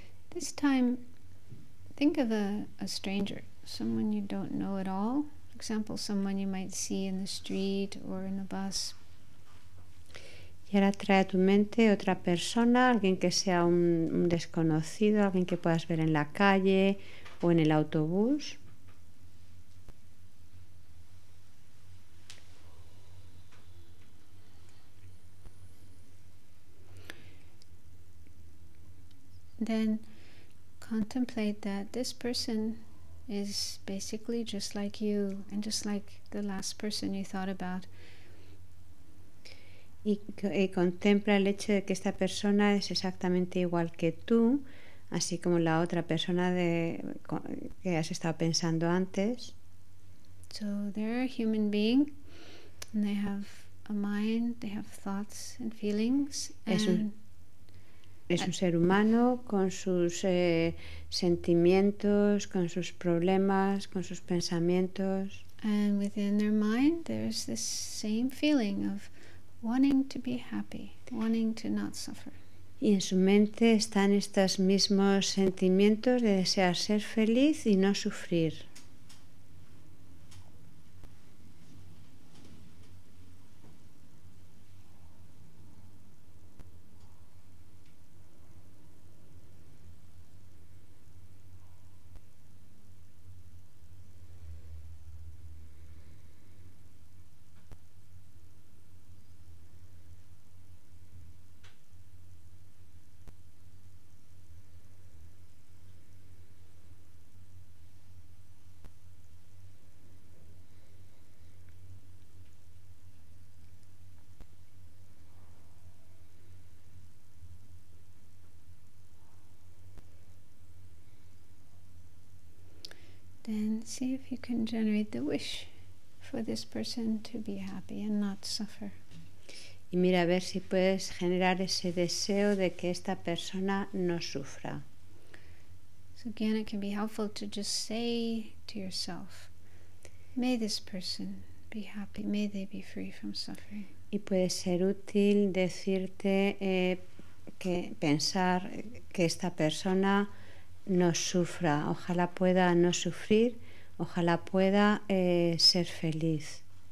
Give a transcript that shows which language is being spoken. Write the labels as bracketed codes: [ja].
[en] This time, think of a stranger, someone you don't know at all. For example, someone you might see in the street or in a bus. [es] Y ahora trae a tu mente otra persona, alguien que sea un desconocido, alguien que puedas ver en la calle o en el autobús. [en] Then contemplate that this person is basically just like you and just like the last person you thought about. [es] Y contempla el hecho de que esta persona es exactamente igual que tú, así como la otra persona de que has estado pensando antes. [en] So they're a human being and they have a mind, they have thoughts and feelings, and [es] es un ser humano con sus sentimientos, con sus problemas, con sus pensamientos. [en] And within their mind there's this same feeling of wanting to be happy, wanting to not suffer. [es] Y en su mente están estos mismos sentimientos de desear ser feliz y no sufrir. [en] Then see if you can generate the wish for this person to be happy and not suffer. [es] Y mira a ver si puedes generar ese deseo de que esta persona no sufra. [en] So again, it can be helpful to just say to yourself, "May this person be happy. May they be free from suffering." [es] Y puede ser útil decirte que pensar que esta persona no sufra, ojalá pueda no sufrir, ojalá pueda ser feliz.